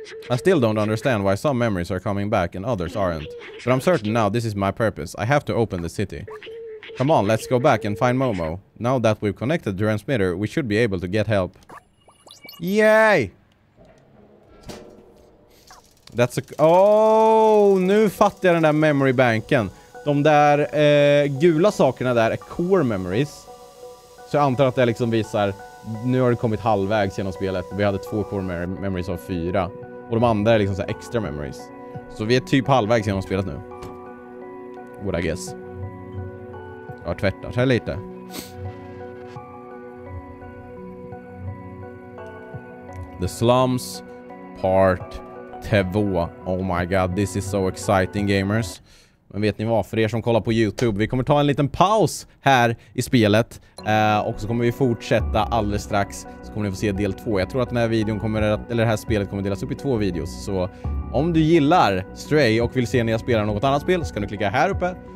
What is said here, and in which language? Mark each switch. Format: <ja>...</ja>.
<en>I still don't understand why some memories are coming back and others aren't. But I'm certain now this is my purpose. I have to open the city. Come on, let's go back and find Momo. Now that we've connected the transmitter, we should be able to get help. Yay! That's a...</en> <sv>Oh, nu fattar jag den där memory banken. De där gula sakerna där är core memories. Så jag antar att det liksom visar... Nu har det kommit halvvägs genom spelet. Vi hade 2 core memories av 4. Och de andra är liksom så här extra memories. Så vi är typ halvvägs genom spelet nu.</sv> <en>What I guess.</en> <sv>Jag har tvättat här lite.</sv> <en>The Slums Part 2. Oh my god, this is so exciting, gamers.</en> <sv>Men vet ni vad, för er som kollar på YouTube, vi kommer ta en liten paus här i spelet. Och så kommer vi fortsätta alldeles strax. Så kommer ni få se del 2. Jag tror att den här videon kommer, eller det här spelet kommer delas upp i 2 videos. Så om du gillar Stray och vill se när jag spelar något annat spel, så kan du klicka här uppe.</sv>